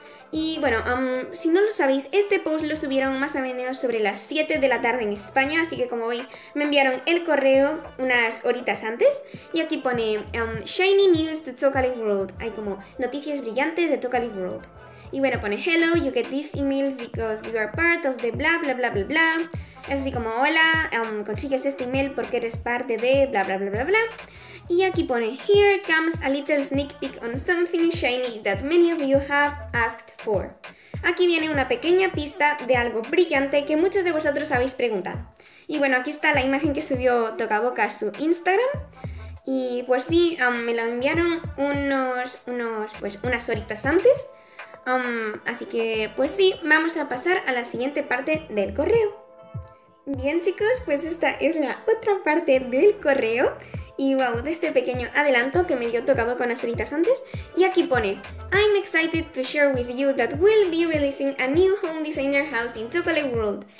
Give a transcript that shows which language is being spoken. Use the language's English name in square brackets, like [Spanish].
[Spanish] Y bueno, si no lo sabéis, este post lo subieron más o menos sobre las 7 de la tarde en España, así que como veis, me enviaron el correo unas horitas antes. Y aquí pone, [English] Shiny News to Tocalic World. [Spanish] Hay como noticias brillantes de Tocalic World. Y bueno, pone, [English] hello, you get these emails because you are part of the bla bla bla bla bla. [Spanish] Es así como, hola, consigues este email porque eres parte de bla bla bla bla bla. Y aquí pone, [English] here comes a little sneak peek on something shiny that many of you have asked for. [Spanish] Aquí viene una pequeña pista de algo brillante que muchos de vosotros habéis preguntado. Y bueno, aquí está la imagen que subió Toca Boca a su Instagram. Y pues sí, me lo enviaron unas horitas antes. Así que, pues sí, vamos a pasar a la siguiente parte del correo. Bien chicos, pues esta es la otra parte del correo. Y wow, de este pequeño adelanto que me dio tocado con las horitas antes. Y aquí pone, [English] I'm excited to share with you that we'll be releasing a new home designer house in Chocolate World.